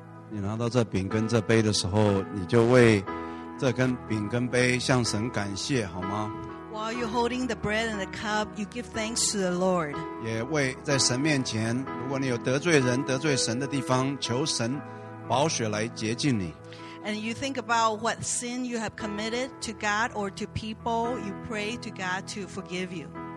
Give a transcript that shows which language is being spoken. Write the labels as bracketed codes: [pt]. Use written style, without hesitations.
[zh] 你拿到这饼跟这杯的时候，你就为这根饼跟杯向神感谢，好吗？ [en] While you're holding the bread and the cup, you give thanks to the Lord. [zh] 也为在神面前，如果你有得罪人、得罪神的地方，求神宝血来洁净你。 [en] And you think about what sin you have committed to God or to people, you pray to God to forgive you.